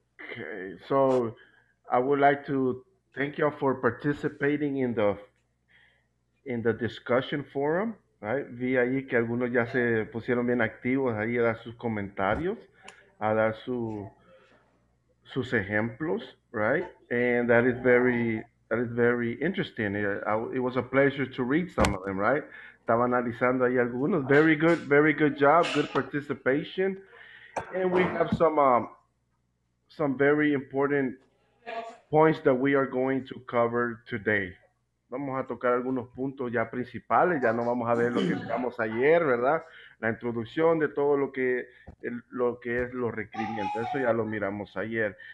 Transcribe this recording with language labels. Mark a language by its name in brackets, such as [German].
[English] Okay, so I would like to thank you all for participating in the discussion forum, right? [Spanish] Vi ahí que algunos ya se pusieron bien activos ahí a dar sus comentarios, a dar sus ejemplos, right? [English] And that is very interesting. It was a pleasure to read some of them, right? [Spanish] Estaba analizando ahí algunos. [English] Very good job, good participation. And we have some very important points that we are going to cover today. [Spanish] Vamos a tocar algunos puntos ya principales, ya no vamos a ver lo que miramos ayer, ¿verdad? La introducción de todo lo que es los requerimientos, eso ya lo miramos ayer.